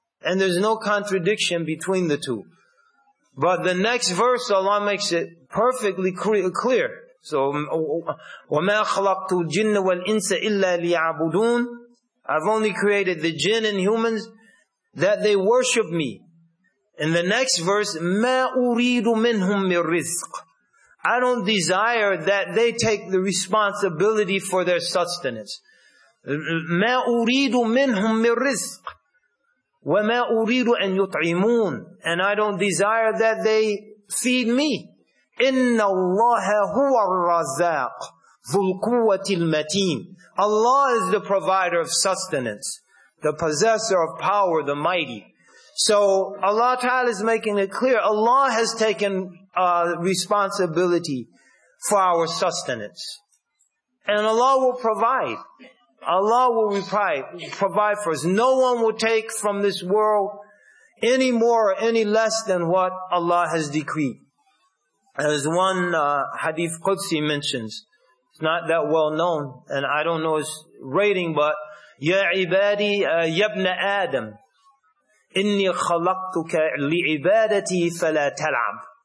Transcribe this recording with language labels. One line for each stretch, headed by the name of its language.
English: And there's no contradiction between the two. But the next verse, Allah makes it perfectly clear. So,
Arabic: وَمَا خَلَقْتُ الْجِنَّ وَالْإِنسَ إِلَّا لِيَعْبُدُونَ.
English: I've only created the jinn and humans that they worship me. In the next verse,
Arabic: مَا أُرِيدُ مِنْهُمْ مِنْ رِزْقٍ.
English: I don't desire that they take the responsibility for their sustenance.
Arabic: مَا أُرِيدُ مِنْهُمْ مِنْ رِزْقٍ. وَمَا أُرِيدُ أَنْ يُطْعِمُونَ.
English: And I don't desire that they feed me.
Arabic: إِنَّ اللَّهَ هُوَ الرَّزَّاقُ ذُو الْقُوَّةِ الْمَتِينَ.
English: Allah is the provider of sustenance, the possessor of power, the mighty. So Allah Ta'ala is making it clear, Allah has taken responsibility for our sustenance. And Allah will provide. Allah will provide for us. No one will take from this world any more or any less than what Allah has decreed. As one hadith Qudsi mentions, it's not that well known, and I don't know its rating, but,
Arabic: يَا عِبَادِي يَبْنَ آدَمْ. إني خلقتك لعبادتي فلا تلعب.